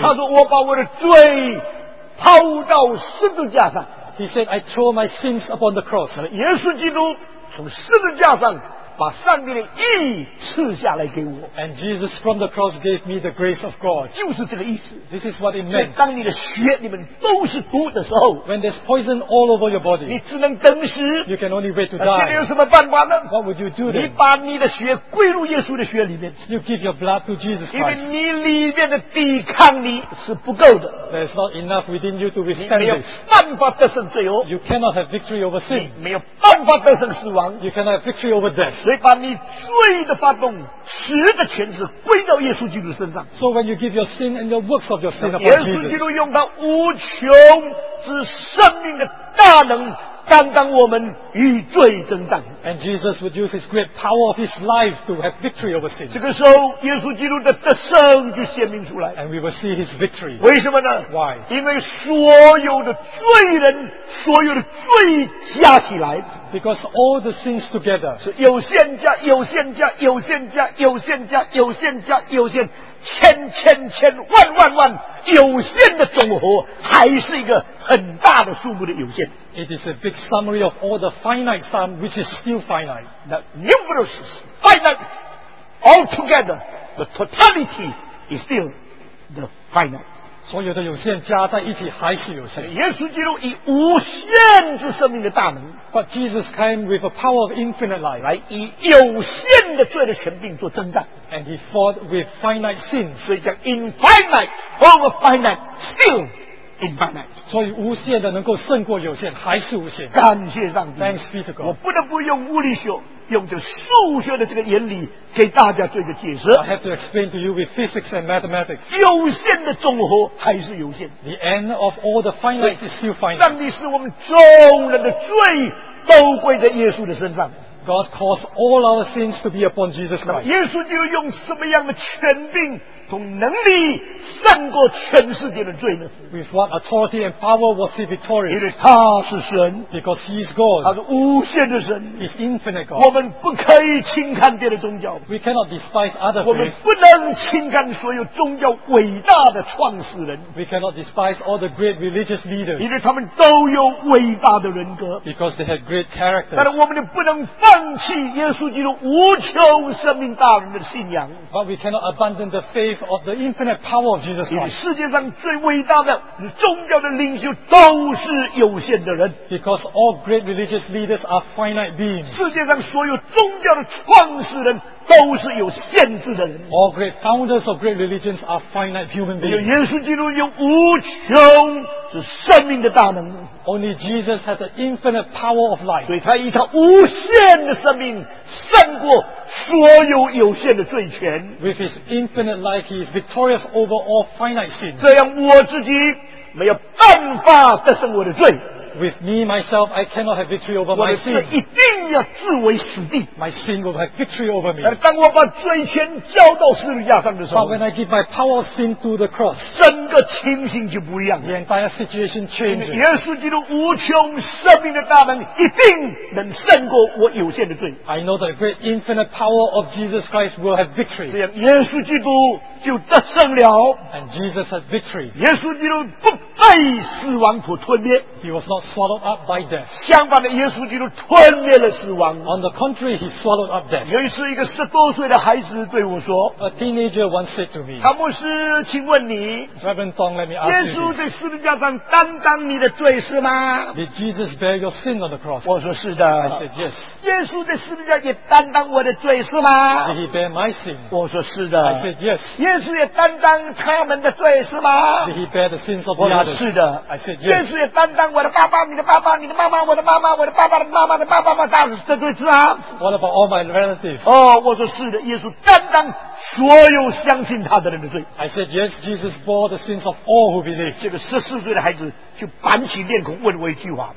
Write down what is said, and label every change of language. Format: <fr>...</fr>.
<zh>他说：“我把我的罪抛到十字架上。</zh> <en>”He said, "I throw my sins upon the cross."</en> <zh>耶稣基督从十字架上把上帝的义赐下来给我。</zh> <en>And Jesus from the cross gave me the grace of God.</en> <zh>就是这个意思。</zh> <en>This is what it meant.</en> <zh>当你的血里面都是毒的时候</zh> <en>，When there's poison all over your body，</en> <zh>你只能等死。</zh> <en>You can only wait to die。</en> <zh>那你有什么办法呢</zh> <en>？What would you do then？</en> <zh>你把你的血归入耶稣的血里面。</zh> <en>You give your blood to Jesus Christ。</en> <zh>因为你里面的抵抗力是不够的。</zh> <en>There's not enough within you to withstand this。</en> <zh>你没有办法得胜罪恶。</zh> <en>You cannot have victory over sin。</en> <zh>你没有办法得胜死亡。</zh> <en>You cannot have victory over death。</en> <zh>所以把你罪的发动、死的权势归到耶稣基督身上。</zh> <en>So when you give your sin and your works of your sin upon</en> <zh>Jesus， 耶稣基督用他无穷之生命的大能，担当我们与罪争战。</zh> <en>And Jesus would use his great power of his life to have victory over sin。</en> <zh>这个时候，耶稣基督的得胜就显明出来。</zh> <en>And we will see his victory。</en> <zh>为什么呢</zh> <en>？Why？</en> <zh>因为所有的罪人、所有的罪加起来。</zh> <en>Because all the sins together，</en> <zh>是有限加、有限加、有限加、有限加、有限加、有限，千千千万万万有限的总和，还是一个很大的数目的有限。</zh> <en>It is a big summary of all the finite sum, which is still finite. The numerous finite altogether, the totality is still the finite.</en> <zh>所有的有限加在一起还是有限。耶稣基督以无限之生命的大能，</zh> <en>But Jesus came with a power of infinite life，</en> <zh>来以有限的罪的权柄做征战。</zh> <en>And he fought with finite sins.</en> <zh>所以叫</zh> <en>infinite over finite still. Infinite.</en> <zh>所以无限的能够胜过有限，还是无限。感谢上帝。</zh> <en>Thanks be to God.</en> <zh>我不得不用物理学，用着数学的这个原理给大家做一个解释。</zh> <en>I have to explain to you with physics and mathematics.</en> <zh>有限的总和还是有限。</zh> <en>The end of all the finite is still finite.</en> <zh>上帝使我们众人的罪都归在耶稣的身上。</zh> <en>God caused all our sins to be upon Jesus Christ.</en> <zh>耶稣就用什么样的权柄同能力胜过全世界的罪呢？</zh> <en>With what authority and power was he victorious?</en> <zh>因为他是神。</zh> <en>Because he is God.</en> <zh>他是无限的神。</zh> <en>He's infinite God.</en> <zh>我们不可以轻看别的宗教。</zh> <en>We cannot despise other faiths.</en> <zh>我们不能轻看所有宗教伟大的创始人。</zh> <en>We cannot despise all the great religious leaders.</en> <zh>因为他们都有伟大的人格。</zh> <en>Because they had great characters.</en> <zh>但是我们也不能放弃耶稣基督无穷生命大能的信仰。</zh> <en>But we cannot abandon the faith. Of the infinite power of Jesus Christ.</en> <zh>世界上最伟大的宗教的领袖都是有限的人。</zh> <en>Because all great religious leaders are finite beings.</en> <zh>世界上所有宗教的创始人都是有限制的人。</zh> <en>All great founders of great religions are finite human beings.</en> <zh>耶稣基督有无穷是生命的大能。</zh> <en>Only Jesus has the infinite power of life.</en> <zh>所以他以他无限的生命胜过所有有限的罪权。</zh> <en>With his infinite life, he is victorious over all finite sins.</en> <zh>这样我自己没有办法得胜我的罪。</zh> <en>With me, myself, I cannot have victory over my sin.</en> <zh>一定要自为死地。</zh> <en>My sin will have victory over me.</en> <zh>但是当我把罪权交到十字架上的时候</zh> <en>，But when I give my power of sin to the cross,</en> <zh>整个情形就不一样。</zh> <en>The entire situation changes.</en> <zh>耶稣基督无穷生命的大能一定能胜过我有限的罪。</zh> <en>I know the great infinite power of Jesus Christ will have victory.</en> <zh>这样耶稣基督就得胜了。</zh> <en>And Jesus has victory.</en> <zh>耶稣基督不被死亡所吞灭。</zh> <en>He was not swallowed up by death.</en> <zh>相反的，耶稣基督吞灭了死亡。</zh> <en>On the contrary, he swallowed up death.</en> <zh>有一次，一个十多岁的孩子对我说</zh> <en>，A teenager once said to me,</en> <zh>唐牧师，请问你</zh> <en>，Reverend Tong, let me ask you,</en> <zh>耶稣在十字架上担当你的罪是吗</zh> <en>？Did Jesus bear your sin on the cross?</en> <zh>我说是的。</zh> <en>I said yes.</en> <zh>耶稣在十字架也担当我的罪是吗</zh> <en>？Did he bear my sin?</en> <zh>我说是的。</zh> <en>I said yes.</en> <zh>耶稣也担当他们的罪是吗</zh> <en>？Did he bear the sins of the others?</en> <zh>我说是的。</zh> <en>I said yes.</en> <zh>耶稣也担当我的爸爸，你的爸爸，你的妈妈，我的妈妈，我的爸爸的妈妈的爸爸妈妈，大家这对是啊。</zh> <en>What about all my relatives?</en> <zh>哦，我说是的，耶稣担当所有相信他的人的罪。</zh> <en>I said yes, Jesus bore the sins of all who believe.</en> <zh>这个十四岁的孩子就板起面孔问我一句话。</zh>